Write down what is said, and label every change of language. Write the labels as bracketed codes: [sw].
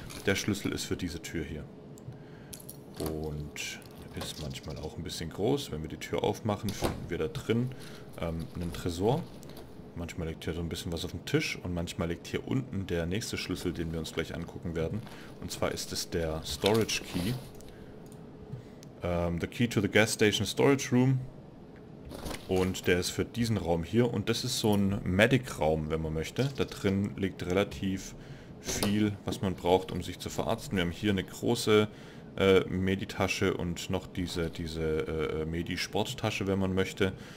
[de] Der Schlüssel ist für diese Tür hier. Und ist manchmal auch ein bisschen groß. Wenn wir die Tür aufmachen, finden wir da drin einen Tresor. Manchmal liegt hier so ein bisschen was auf dem Tisch und manchmal liegt hier unten der nächste Schlüssel, den wir uns gleich angucken werden. Und zwar ist es der Storage Key. [en] The Key to the Gas Station Storage Room. [de] Und der ist für diesen Raum hier und das ist so ein Medic-Raum, wenn man möchte. Da drin liegt relativ viel, was man braucht, um sich zu verarzten. Wir haben hier eine große Meditasche und noch diese Medi-Sporttasche, wenn man möchte.